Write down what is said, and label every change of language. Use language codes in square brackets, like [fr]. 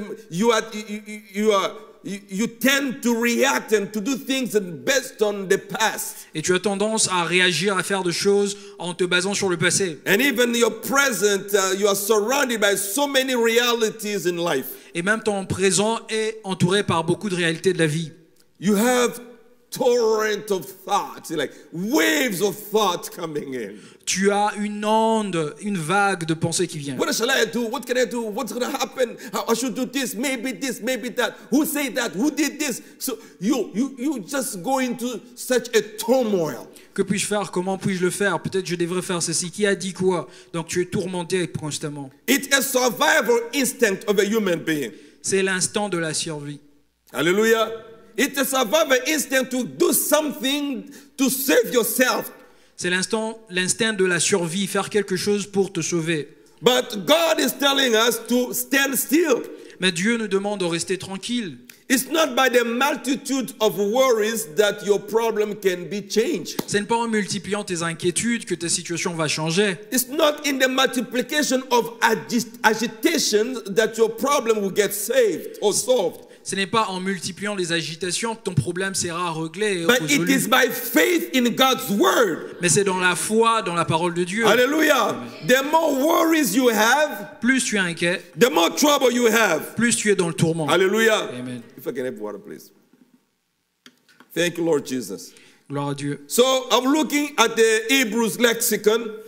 [en] You tend to react and to do things based on the past. [fr] Et tu as tendance à réagir, à faire des choses en te basant sur le passé. [en] And even your present, you are surrounded by so many realities in life. [fr] Et même ton présent est entouré par beaucoup de réalités de la vie. [en] You have torrent of thoughts, like waves of thoughts coming in. [fr] Tu as une onde, une vague de pensées qui vient. [en] What shall I do? What can I do? What's going to happen? I should do this, maybe this, maybe that. Who said that? Who did this? So you just go into such a turmoil. [fr] Que puis-je faire? Comment puis-je le faire? Peut-être je devrais faire ceci. Qui a dit quoi? Donc tu es tourmenté constamment. [en] It's a survival instinct of a human being. [fr] C'est l'instinct de la survie. Alléluia. [en] It's a survival instinct to do something to save yourself. [fr] C'est l'instinct de la survie, faire quelque chose pour te sauver. [en] But God is telling us to stand still. [fr] Mais Dieu nous demande de rester tranquille. [en] It's not by the multitude of worries that your problem can be changed. [fr] Ce n'est pas en multipliant tes inquiétudes que ta situation va changer. [en] It's not in the multiplication of agitation that your problem will get saved or solved. [fr] Ce n'est pas en multipliant les agitations que ton problème sera réglé et résolu. [en] But it is by faith in God's word. [fr] Mais c'est dans la foi, dans la parole de Dieu. [en] Alléluia. The more worries you have, [fr] plus tu es inquiet. [en] The more trouble you have, [fr] plus tu es dans le tourment. Alléluia. Amen. [en] If I can have water, please. Thank you, Lord Jesus. [fr] Gloire à Dieu. [en] So I'm looking at the Hebrews lexicon.